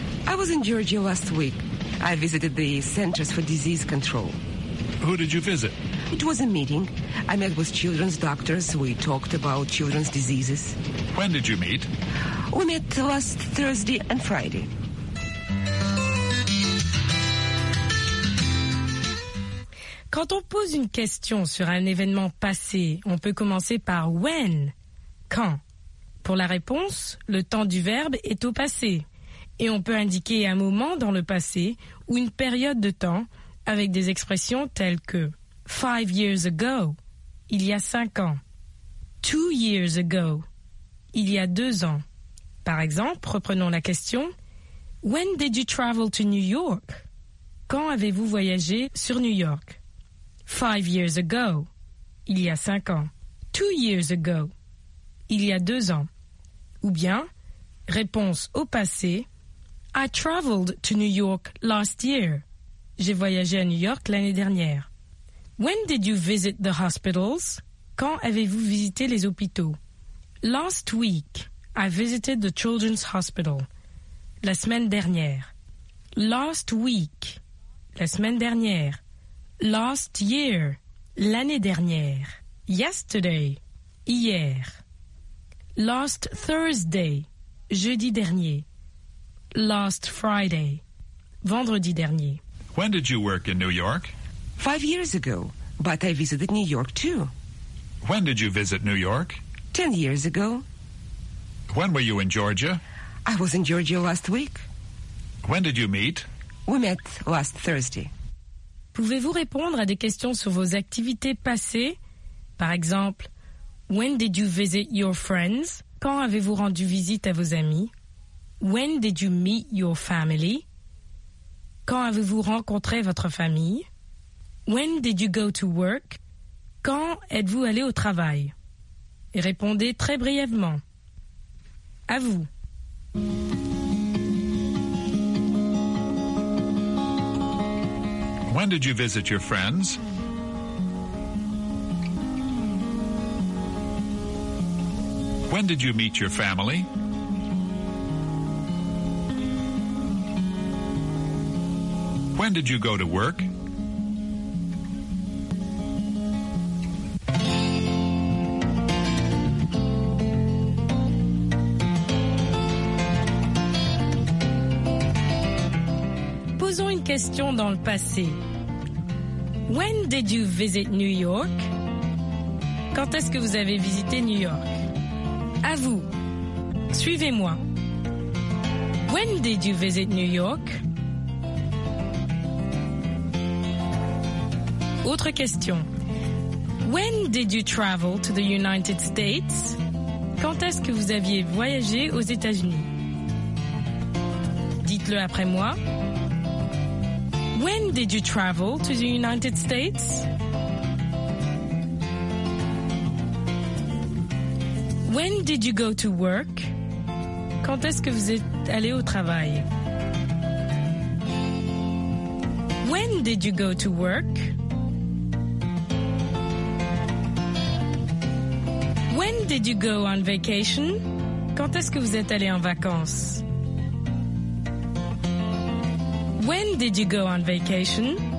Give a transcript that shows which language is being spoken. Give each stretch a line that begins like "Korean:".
English: I was in Georgia last week. I visited the Centers for Disease Control. Who did you visit? It was a meeting. I met with children's doctors. We talked about children's diseases. When did you meet? We met last Thursday and Friday.
French: Quand on pose une question sur un événement passé, on peut commencer par « when », « quand ». Pour la réponse, le temps du verbe est au passé. Et on peut indiquer un moment dans le passé ou une période de temps avec des expressions telles que «
English: 5 years ago
French: », « il y a 5 ans »,«
English: 2 years ago
French: », « il y a 2 ans ». Par exemple, reprenons la question «
English: when did you travel to New York
French: ?»« Quand avez-vous voyagé sur New York ?»
English: 5 years ago,
French: il y a 5 ans.
English: 2 years ago,
French: il y a 2 ans. Ou bien, réponse au passé,
English: I traveled to New York last year.
French: J'ai voyagé à New York l'année dernière.
English: When did you visit the hospitals?
French: Quand avez-vous visité les hôpitaux?
English: Last week, I visited the children's hospital.
French: La semaine dernière.
English: Last week,
French: la semaine dernière.
English: Last year,
French: l'année dernière.
English: Yesterday,
French: hier.
English: Last Thursday,
French: jeudi dernier.
English: Last Friday,
French: vendredi dernier.
English: When did you work in New York? 5 years ago, but I visited New York too. When did you visit New York? 10 years ago. When were you in Georgia? I was in Georgia last week. When did you meet? We met last Thursday.
French: Pouvez-vous répondre à des questions sur vos activités passées? Par exemple,
English: when did you visit your friends?
French: Quand avez-vous rendu visite à vos amis?
English: When did you meet your family?
French: Quand avez-vous rencontré votre famille?
English: When did you go to work?
French: Quand êtes-vous allé au travail? Et répondez très brièvement. À vous.
English: When did you visit your friends? When did you meet your family? When did you go to work?
French: Posons une question dans le passé.
English: When did you visit New York?
French: Quand est-ce que vous avez visité New York? À vous. Suivez-moi.
English: When did you visit New York?
French: Autre question.
English: When did you travel to the United States?
French: Quand est-ce que vous aviez voyagé aux États-Unis? Dites-le après moi.
English: When did you travel to the United States? When did you go to work?
French: Quand est-ce que vous êtes allé au travail?
English: When did you go to work? When did you go on vacation?
French: Quand est-ce que vous êtes allé en vacances?
English: When did you go on vacation?